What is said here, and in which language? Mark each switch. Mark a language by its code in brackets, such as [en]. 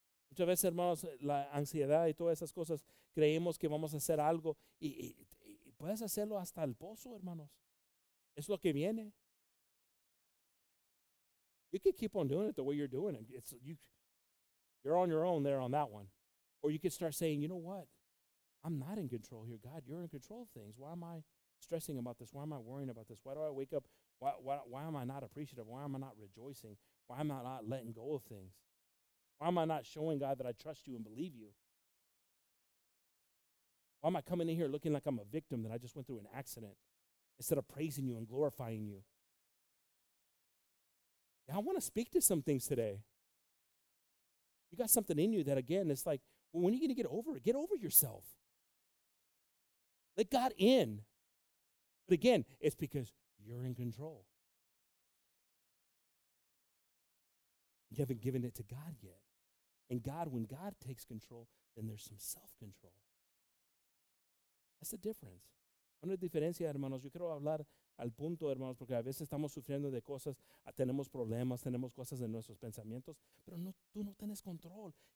[es] Muchas veces, hermanos, la ansiedad y todas esas cosas, creemos que vamos a hacer algo y puedes hacerlo hasta el pozo, hermanos. Es lo que viene. [en] You can keep on doing it the way you're doing it. You're on your own there on that one. Or you can start saying, you know what? I'm not in control here. God, you're in control of things. Why am I stressing about this? Why am I worrying about this? Why do I wake up? Why am I not appreciative? Why am I not rejoicing? Why am I not letting go of things? Why am I not showing God that I trust you and believe you? Why am I coming in here looking like I'm a victim that I just went through an accident instead of praising you and glorifying you? Yeah, I want to speak to some things today. You got something in you that, again, it's like, well, when are you going to get over it? Get over yourself. Let God in. But again, it's because you're in control. You haven't given it to God yet. And God, when God takes control, then there's some self-control. That's the difference. [es] Una diferencia, hermanos. Yo quiero hablar al punto, hermanos, porque a veces estamos sufriendo de cosas, tenemos problemas, tenemos cosas en nuestros pensamientos, pero no, tú no tienes control.